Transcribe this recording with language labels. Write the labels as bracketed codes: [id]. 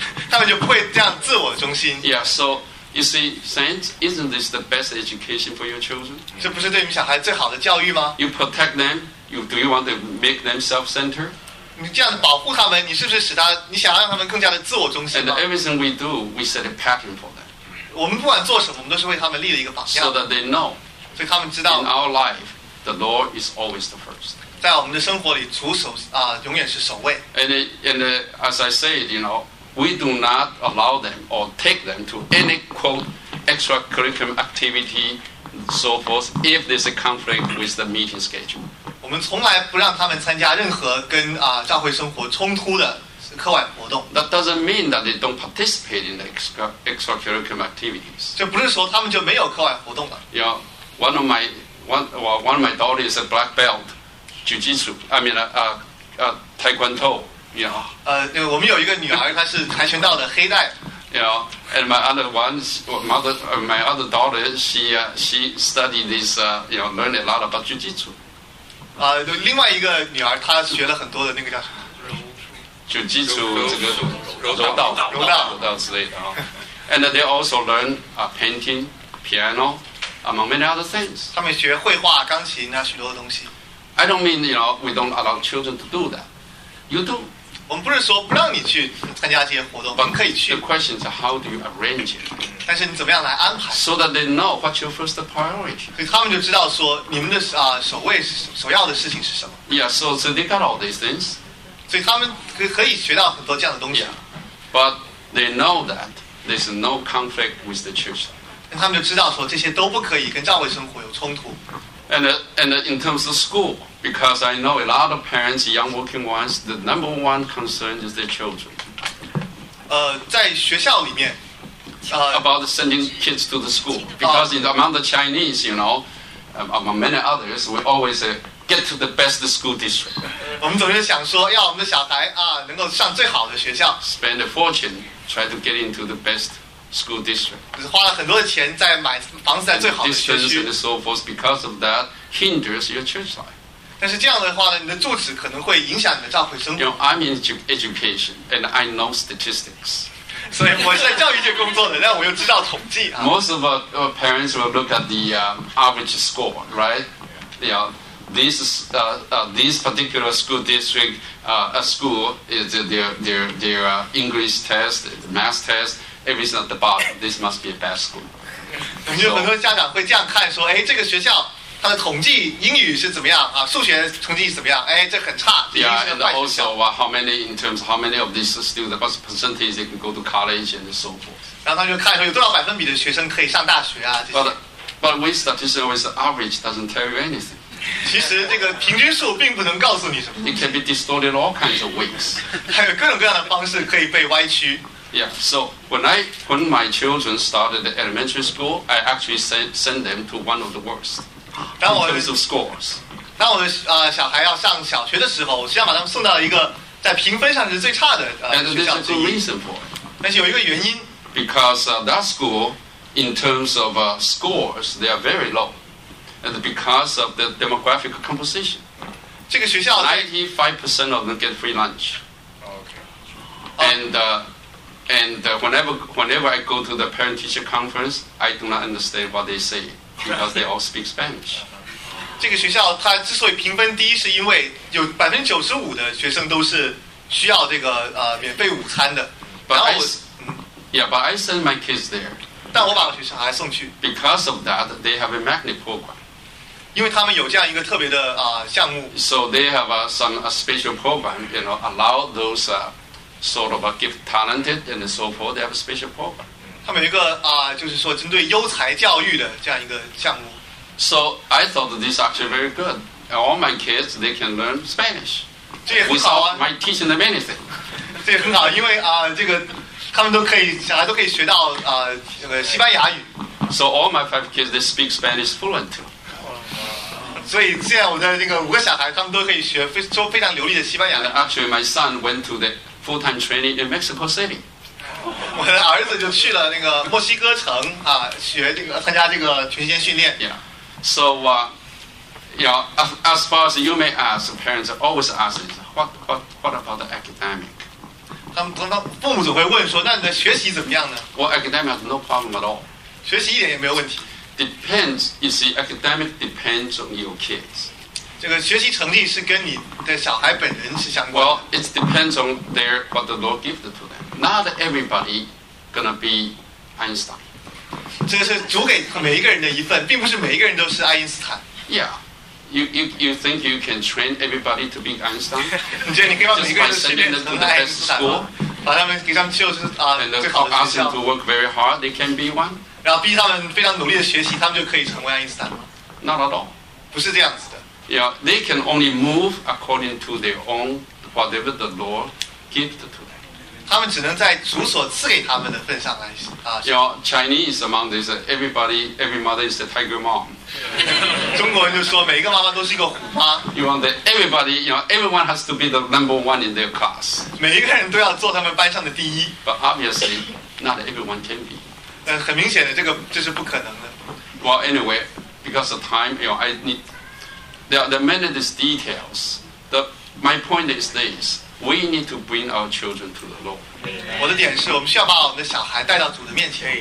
[zh] 他们就不会这样自我中心。 [en] Yeah, so you see, saints, isn't this the best education for your children? [zh] 这不是对你们小孩最好的教育吗 [en] ？You protect them. Do you want to make them self-centered? [zh] 你这样保护他们，你是不是使他你想让他们更加的自我中心 [en] ？And everything we do, we set a pattern for them. [zh] 我们不管做什么，我们都是为他们立了一个榜样。 [en] So that they know. [zh] 所以他们知道 [en] in our life. The Lord is always the first. [zh] 在我们的生活里，主首永远是首位。 [en] And as I said, you know, we do not allow them or take them to any quote extracurricular activity, so forth. If there's a conflict with the meeting schedule, [zh] 我们从来不让他们参加任何跟教会生活冲突的课外活动。 [en] That doesn't mean that they don't participate in the extracurricular activities. [zh] 就不是说他们就没有课外活动了。 [en] Yeah, one of my daughter is a black belt, jiu-jitsu. I mean, taekwondo. Yeah. [zh] 我们有一个女儿，她是跆拳道的黑带。 [en] Yeah, and my other ones, my other daughter, she studied this, learned a lot about jiu-jitsu. [zh] 另外一个女儿，她学了很多的那个叫什么？就基础这个柔道之类的啊， [en] and they also learn painting, piano, among many other things. [zh] 他们学绘画、钢琴啊，许多的东西。 [en] I don't mean you know we don't allow children to do that. You do. [zh] 我们不是说不让你去参加这些活动，我们可以去。 [en] The question is how do you arrange it? [zh] 但是你怎么样来安排 [en] ？So that they know what's your first priority. [zh] 所以他们就知道说你们的首要的事情是什么。 [en] Yeah, so they got all these things. [zh] 所以他们可以学到很多这样的东西。 [en] Yeah, but they know that there's no conflict with the church. [zh] 他们就知道说这些都不可以跟教会生活有冲突。 [en] And in terms of school, because I know a lot of parents, young working ones, the number one concern is their children. [zh] 在学校里面。 [en] About sending kids to the school, because among the Chinese, you know, among many others, we always say. Get to the best school district. [zh] 我们总是想说，要我们的小孩啊，能够上最好的学校。 [en] Spend a fortune, try to get into the best school district. [zh] 就是花了很多的钱在买房子在最好的学区。 [en] And so forth, because of that, hinders your church life. [zh] 但是这样的话呢，你的住址可能会影响你的教会生活。 [en] You know, I'm in education, and I know statistics. [zh] 所以我是在教育界工作的，但我又知道统计啊。 [en] Most of our parents will look at the average score, right? Yeah. This particular school district, school is their English test, math test, everything at the bottom. This must be a bad school. [zh] 我们有很多家长会这样看说，哎，这个学校它的统计英语是怎么样啊？数学成绩是怎么样？哎，这很差。 [en] Yeah, and also, how many of these students, what percentage they can go to college and so forth. [zh] 然后他就看说有多少百分比的学生可以上大学啊？ [en] But with statistics, always average doesn't tell you anything. [zh] 其实这个平均数并不能告诉你什么。 [en] It can be distorted all kinds of ways. [zh] 还有各种各样的方式可以被歪曲。 [en] Yeah, so when my children started the elementary school, I actually sent them to one of the worst in terms of scores. [zh] 当我的小孩要上小学的时候，我实际上把他们送到一个在评分上是最差的学校之一。 [en] And there's a good reason for it. [zh] 但是有一个原因。 [en] Because that school, in terms of scores, they are very low. And because of the demographic composition, [zh] 这个学校 [en] 95% of them get free lunch. Okay. And whenever I go to the parent-teacher conference, I do not understand what they say because they all speak Spanish. [zh] 这个学校它之所以评分低，是因为有95%的学生都是需要这个免费午餐的。 [en] But I, yeah, but I send my kids there. [zh] 但我把学生还送去。 [en] Because of that, they have a magnet program. [zh] 因为他们有这样一个特别的项目 [en] ，so they have a special program, you know, allow those sort of gifted, talented, and so forth. They have a special program. [zh] 他们有一个就是说针对优才教育的这样一个项目。 [en] So I thought this actually very good. All my kids, they can learn Spanish. [zh] 这也很好啊。 [en] Without my teaching them anything. [zh] 这也很好，因为这个他们都可以，小孩都可以学到西班牙语。 [en] So all my 5 kids, they speak Spanish fluently. [zh] 所以现在我的那个5个小孩，他们都可以学说非常流利的西班牙语。 [en] Actually, my son went to the full-time training in Mexico City. [zh] 我的儿子就去了那个墨西哥城啊，学这个参加这个全时间训练。 [en] Yeah. So, as far as you may ask, parents always ask, what about the academic? [zh] 父母总会问说，那你的学习怎么样呢 [en] ？Well, academic has no problem at all. [zh] 学习一点也没有问题。 [en] Depends. You see, academic depends on your kids. [zh] 这个学习成绩是跟你的小孩本人是相关的。 [en] Well, it depends on what the Lord gifted to them. Not everybody gonna be Einstein. [zh] 这是主给每一个人的一份，并不是每一个人都是爱因斯坦。 [en] Yeah, you think you can train everybody to be Einstein? [zh] 你觉得你可以让每个人都训练成爱因斯坦吗？把他们给他们就是最好的学校。 [en] And ask them to work very hard, they can be one. [zh] 然后逼他们非常努力的学习，他们就可以成为爱因斯坦吗 [en] ？Not at all， [zh] 不是这样子的。 [en] Yeah, they can only move according to their own whatever the Lord gifted to them. [zh] 他们只能在主所赐给他们的份上来啊。 [en] You know, Chinese among this, every mother is a tiger mom. [zh] 中国人就说每一个妈妈都是一个虎妈。 [en] You want that everybody, you know, everyone has to be the number one in their class. [zh] 每一个人都要做他们班上的第一。 [en] But obviously, not everyone can be. [zh] 很明显的，这个就是不可能的。 [en] Well, anyway, because of time, you know, I need there are many of these details. My point is this. We need to bring our children to the Lord. [zh] 我的点是我们需要把我们的小孩带到主的面前。